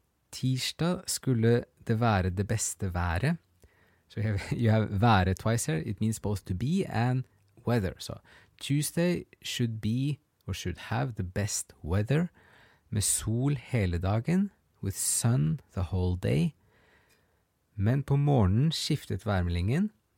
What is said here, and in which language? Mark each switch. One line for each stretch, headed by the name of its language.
Norwegian: Tirsdag skulle det være det beste været.
English: So you have været twice here. It means both to be and weather. So Tuesday should be or should have the best weather,
Norwegian: med sol hele dagen,
English: with sun the whole day.
Norwegian: Men på morgenen skiftet værmeldingen.